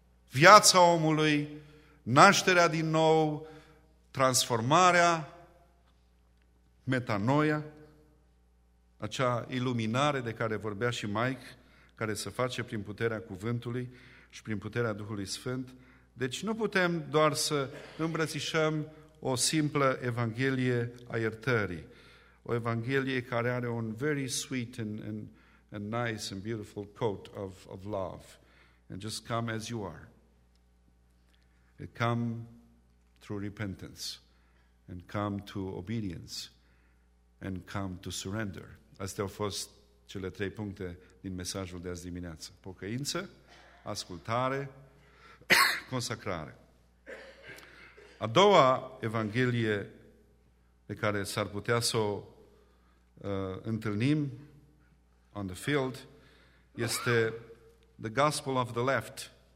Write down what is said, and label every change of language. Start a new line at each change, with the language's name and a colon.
Romanian: Viața omului, nașterea din nou, transformarea, metanoia, acea iluminare de care vorbea și Mike, care se face prin puterea cuvântului și prin puterea Duhului Sfânt. Deci nu putem doar să îmbrățișăm o simplă evanghelie a iertării. O evanghelie care are un
English: very sweet and nice and beautiful coat of love, and just come as you are. It come through repentance and come to obedience and come to surrender.
Romanian: Astea au fost cele trei puncte din mesajul de azi dimineață. Pocăință, ascultare, consacrare. A doua evanghelie pe care s-ar putea să o întâlnim
English: on the field
Romanian: este
English: the gospel of the left.